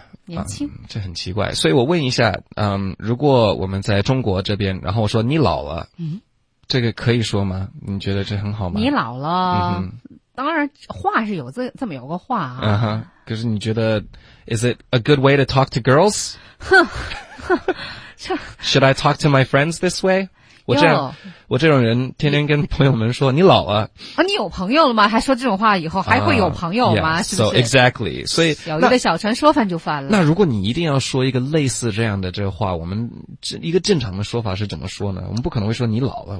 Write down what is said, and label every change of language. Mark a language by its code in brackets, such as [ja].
[zh] 年轻，这很奇怪。所以我问一下，如果我们在中国这边，然后我说你老了，这个可以说吗？你觉得这很好吗？你老了，当然话是有这么有个话啊。可是你觉得 [en] ，Is it a good way to talk to girls？ Should I talk to my friends this way? [zh] 我这种人天天跟朋友们说你老了啊，你有朋友了吗？还说这种话以后还会有朋友吗？ [en] Yeah, [zh] 是不是 [en] ？So exactly. 所以 [zh] 有一个小船说翻就翻了。那如果你一定要说一个类似这样的这个话，我们一个正常的说法是怎么说呢？我们不可能会说你老了，